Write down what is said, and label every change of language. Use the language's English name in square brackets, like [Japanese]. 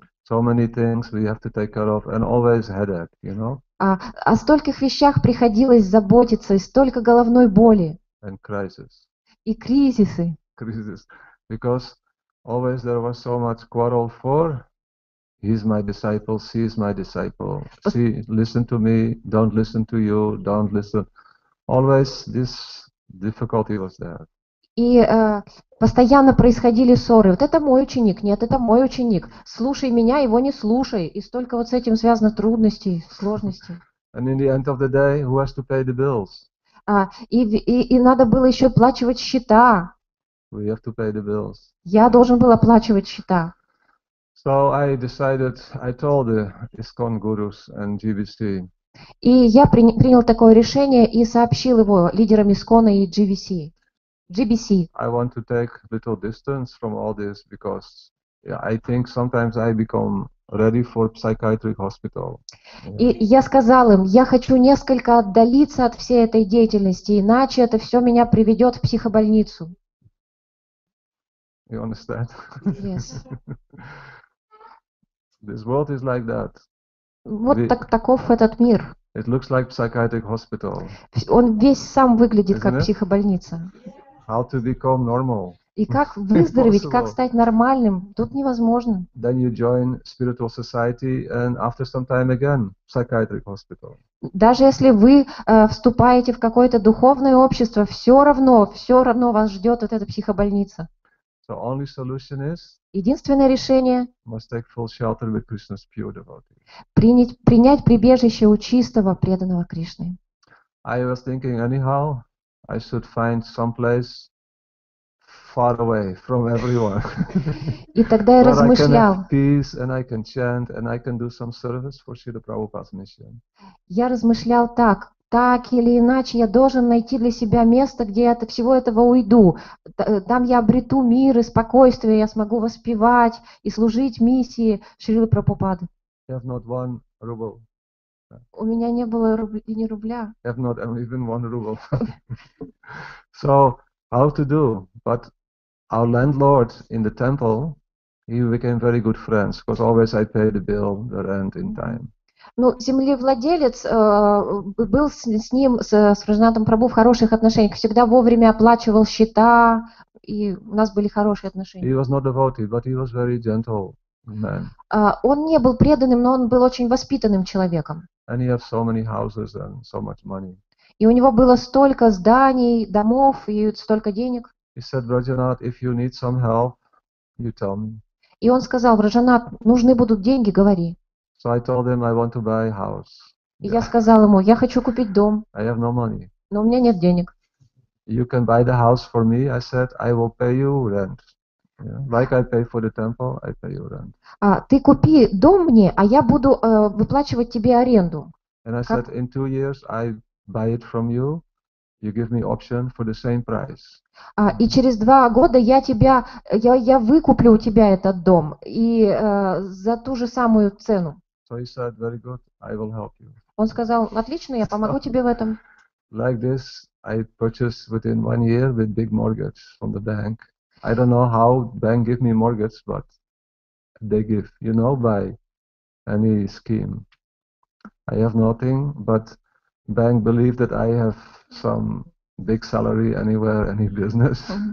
[English] So many things we have to take care of, and always headache, you know. [Russian] О стольких вещах приходилось заботиться, и столько головной боли. [English] And crisis. [Russian] И кризисы. [English] Crisis, because always there was so much quarrel for. He's my disciple, she's my disciple. See, listen to me, don't listen to you, don't listen. Always this difficulty was there. [Russian] И постоянно происходили ссоры. Вот это мой ученик, нет, это мой ученик. Слушай меня, его не слушай. И столько вот с этим связано трудностей, сложностей. [English] And in the end of the day, who has to pay the bills? [Russian] И надо было еще оплачивать счета. [English] We have to pay the bills. [Russian] Я должен был оплачивать счета. [English] So I decided, I told the ISKCON gurus and GVC. [Russian] И я принял такое решение и сообщил его лидерам ISKCON и GVC. [English] GBC. I want to take little distance from all this because I think sometimes I become ready for psychiatric hospital. [Russian] И я сказал им, я хочу несколько отдалиться от всей этой деятельности, иначе это все меня приведет в психобольницу. [English] You understand? Yes. This world is like that. [Russian] Вот так, таков этот мир. [English] It looks like psychiatric hospital. [Russian] Он весь сам выглядит как психобольница. [English] How to become normal? [Russian] И как выздороветь, как стать нормальным? Тут невозможно. [English] Then you join spiritual society and after some time again psychiatric hospital. [Russian] Даже если вы вступаете в какое-то духовное общество, все равно вас ждет вот эта психобольница. [English] So only solution is. [Russian] Единственное решение. [English] Must take full shelter with Krishna's pure devotee. [Russian] Принять прибежище у чистого преданного Кришны. [English] I was thinking anyhow. I should find some place far away from everyone. [Russian] И тогда я размышлял. [English] But I can have peace and I can chant and I can do some service for Srila Prabhupada's mission. [Russian] Я размышлял так. Так или иначе, я должен найти для себя место, где я от всего этого уйду. Там я обрету мир и спокойствие, я смогу воспевать и служить миссии Шрилы Прабхупады. [English] I have not one ruble. [Russian] У меня не было и ни рубля. [English] I have not even one ruble. So, how to do? But our landlord in the temple, he became very good friends, because always I pay the bill, the rent in time. [Russian] Ну, землевладелец был с ним, с Раджанатом Прабху в хороших отношениях, всегда вовремя оплачивал счета, и у нас были хорошие отношения. [English] He was not devoted, but he was very gentle man. [Russian] Он не был преданным, но он был очень воспитанным человеком. [English] And he had so many houses and so much money. [Russian] И у него было столько зданий, домов и столько денег. [English] He said, Rajanath, if you need some help, you tell me. [Russian] И он сказал, Раджанат, нужны будут деньги, говори. [English] So I told him I want to buy a house. [Russian] Я [English] yeah. [Russian] сказал ему, я хочу купить дом. [English] I have no money. [Russian] Но у меня нет денег. [English] You can buy the house for me, I said. I will pay you rent. Yeah. Like I pay for the temple, I pay you rent. [Russian] А ты купи дом мне, а я буду выплачивать тебе аренду. [English] And I [Russian] как? [English] Said, in 2 years I buy it from you. You give me option for the same price. [Russian] А и через 2 года я выкуплю у тебя этот дом и за ту же самую цену. [English] So he said, very good, I will help you. [Russian] Он сказал, отлично, я помогу тебе в этом. [English] Like this, I purchased within 1 year with big mortgage from the bank. I don't know how bank give me mortgage, but they give. You know, by any scheme. I have nothing, but bank believe that I have some big salary anywhere, any business.